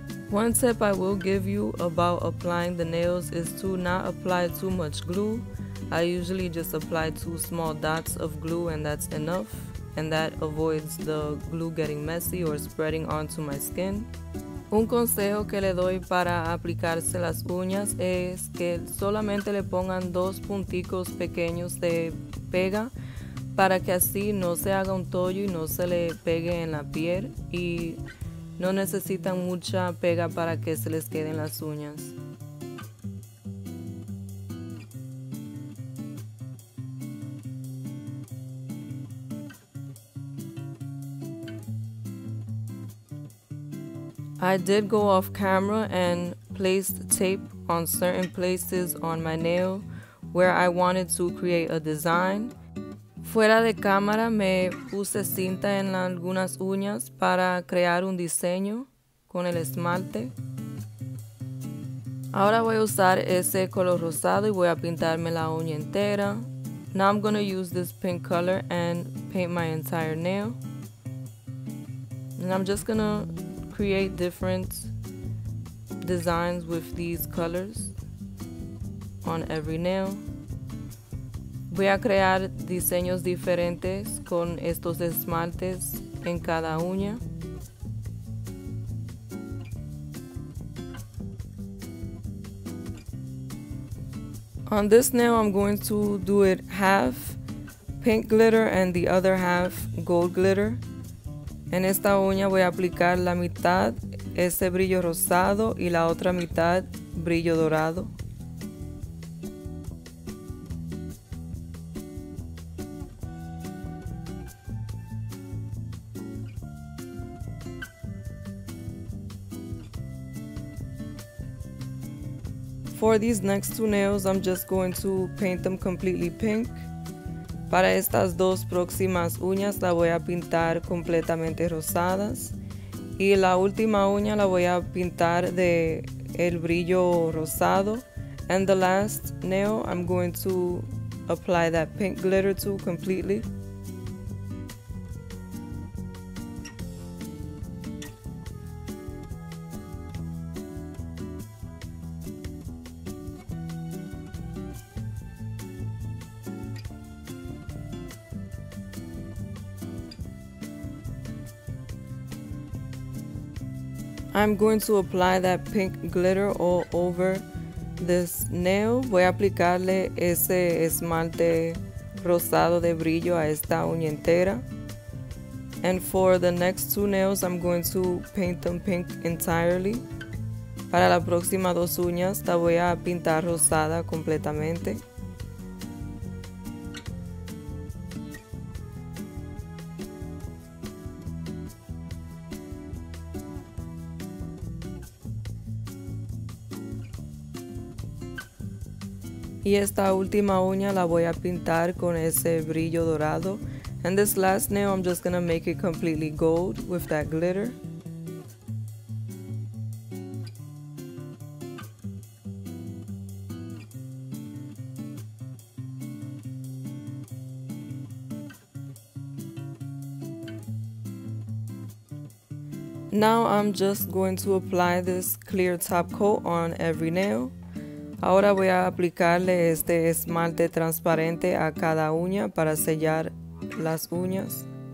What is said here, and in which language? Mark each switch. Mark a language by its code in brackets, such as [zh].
[en] One tip I will give you about applying the nails is to not apply too much glue. I usually just apply two small dots of glue and that's enough, and that avoids the glue getting messy or spreading onto my skin. [es] Un consejo que le doy para aplicarse las uñas es que solamente le pongan dos punticos pequeños de pega para que así no se haga un tollo y no se le pegue en la piel y no necesitan mucha pega para que se les queden las uñas. [en] I did go off camera and placed tape on certain places on my nail where I wanted to create a design. [es] Fuera de cámara me puse cinta en algunas uñas para crear un diseño con el esmalte. Ahora voy a usar ese color rosado y voy a pintarme la uña entera. [en] Now I'm going to use this pink color and paint my entire nail. And I'm just going to create different designs with these colors on every nail. [es] Voy a crear diseños diferentes con estos esmaltes en cada uña. [en] On this nail, I'm going to do it half pink glitter and the other half gold glitter. [es] En esta uña voy a aplicar la mitad ese brillo rosado y la otra mitad brillo dorado. [en] For these next two nails, I'm just going to paint them completely pink. [es] Para estas dos próximas uñas la voy a pintar completamente rosadas y la última uña la voy a pintar de el brillo rosado. [en] And the last nail I'm going to apply that pink glitter to completely. I'm going to apply that pink glitter all over this nail. [es] Voy a aplicarle ese esmalte rosado de brillo a esta uña entera. [en] And for the next two nails, I'm going to paint them pink entirely. [es] Para la próxima dos uñas, la voy a pintar rosada completamente. Y esta última uña la voy a pintar con ese brillo dorado. [en] And this last nail, I'm just gonna make it completely gold with that glitter. Now I'm just going to apply this clear top coat on every nail. [es] Ahora voy a aplicarle este esmalte transparente a cada uña para sellar las uñas.